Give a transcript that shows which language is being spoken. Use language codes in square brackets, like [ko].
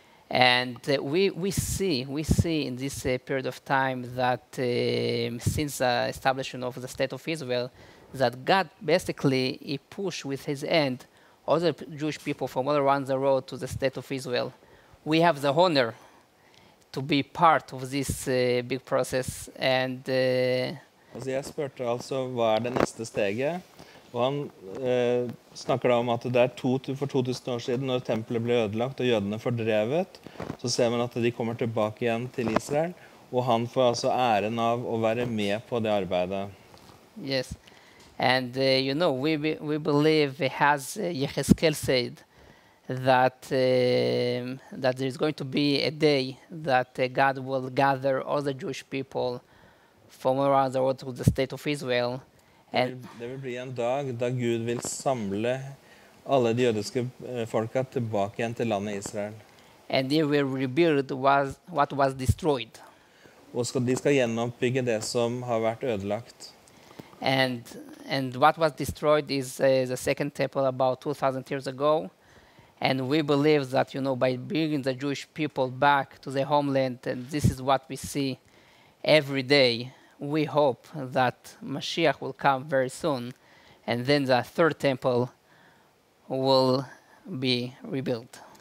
[en] And we see in this period of time that since the establishment of the State of Israel, that God basically he pushed with his hand all the Jewish people from all around the world to the State of Israel. We have the honor to be part of this big process. And [no] altså jeg spurte altså hva det neste steget? Og han snakker da om at det er for 2000 år siden når tempelet ble ødelagt og jødene fordrevet, så ser man at de kommer tilbake igjen til Israel, og han får altså æren av å være med på det arbeidet. [en] Yes, and you know, we believe, as Yechezkel said, that there is going to be a day that God will gather all the Jewish people from around the world to the state of Israel. And there will be a day that God will gather all the Jewish people back again to the land of Israel. And they will rebuild what was destroyed. [no] De skal gjenoppbygge det som har vært ødelagt. [en] And what was destroyed is the second temple about 2000 years ago. And we believe that, you know, by bringing the Jewish people back to their homeland, and this is what we see every day, we hope that Mashiach will come very soon, and then the third temple will be rebuilt.